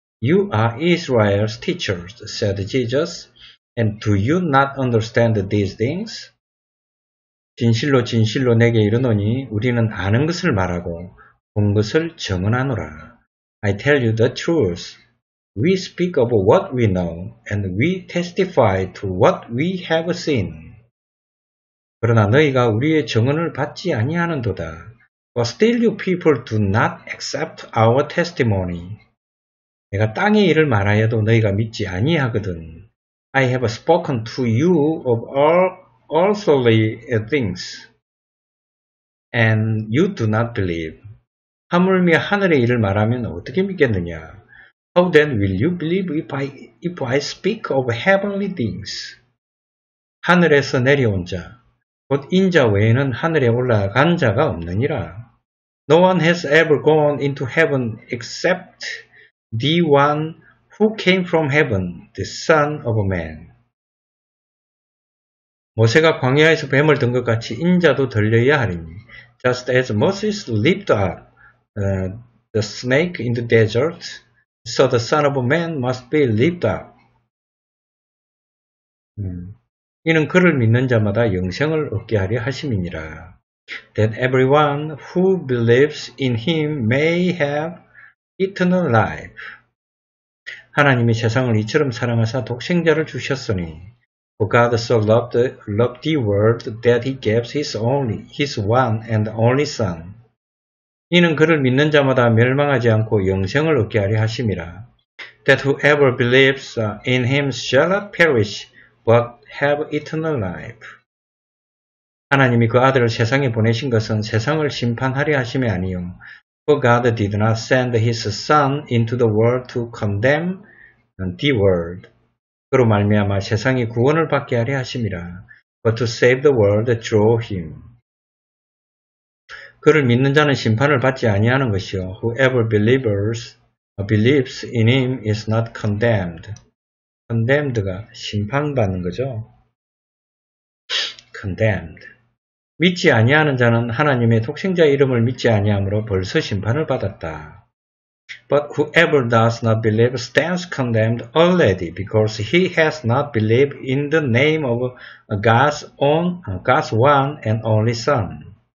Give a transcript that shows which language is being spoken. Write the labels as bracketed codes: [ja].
[en] You are Israel's teachers, said Jesus. And do you not understand these things? [ko] 진실로 진실로 내게 이르노니 우리는 아는 것을 말하고 본 것을 증언하노라. [en] I tell you the truth. We speak of what we know, and we testify to what we have seen. [ko] 그러나 너희가 우리의 증언을 받지 아니하는도다. [en] But still you people do not accept our testimony. [ko] 내가 땅의 일을 말하여도 너희가 믿지 아니하거든. [en] I have spoken to you of all earthly things, and you do not believe. [ko] 하물며 하늘의 일을 말하면 어떻게 믿겠느냐? [en] How then will you believe if I speak of heavenly things? [ko] 하늘에서 내려온 자, 곧 인자 외에는 하늘에 올라간 자가 없느니라. [en] No one has ever gone into heaven except the one who came from heaven, the Son of Man. [ko] 모세가 광야에서 뱀을 든 것 같이 인자도 들려야 하리니, [en] just as Moses leaped up the snake in the desert, so the Son of Man must be leaped up. [ko] 이는 그를 믿는 자마다 영생을 얻게 하려 하심이니라. [en] That everyone who believes in him may have eternal life. [ko] 하나님이 세상을 이처럼 사랑하사 독생자를 주셨으니, [en] For God so loved the world that he gave his one and only son. [ko] 이는 그를 믿는 자마다 멸망하지 않고 영생을 얻게 하려 하심이라. [en] That whoever believes in him shall not perish, but have eternal life. [ko] 하나님이 그 아들을 세상에 보내신 것은 세상을 심판하려 하심이 아니요. [en] For God did not send his son into the world to condemn the world. [ko] 그로 말미암아 세상이 구원을 받게 하려 하심이라. [en] But to save the world through him. [ko] 그를 믿는 자는 심판을 받지 아니하는 것이요. [en] Whoever believes in him is not condemned. [ko] Condemned가 심판받는 거죠. Condemned. 믿지 아니하는 자는 하나님의 독생자 이름을 믿지 아니함으로 벌써 심판을 받았다. [en] But whoever does not believe stands condemned already because he has not believed in the name of God's one and only Son.